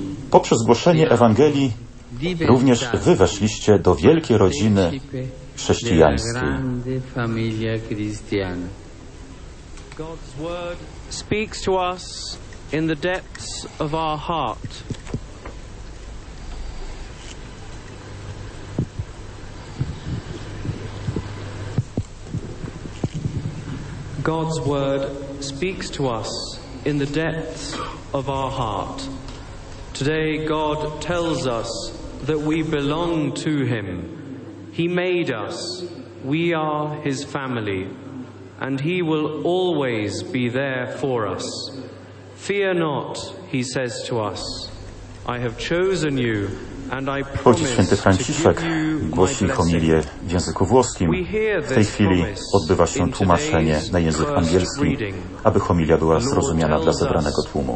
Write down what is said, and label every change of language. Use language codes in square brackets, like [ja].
[pl] Poprzez głoszenie Ewangelii również wy weszliście do wielkiej rodziny chrześcijańskiej. [en] God's word speaks to us in the depths of our heart. God's word speaks to us in the depths of our heart. Today God tells us that we belong to Him. He made us. We are His family. And He will always be there for us. Fear not, He says to us. I have chosen you and I promise to give you my blessing. [pl] Głosi homilię w języku włoskim. W tej chwili odbywa się tłumaczenie na język angielski, aby homilia była zrozumiana dla zebranego tłumu.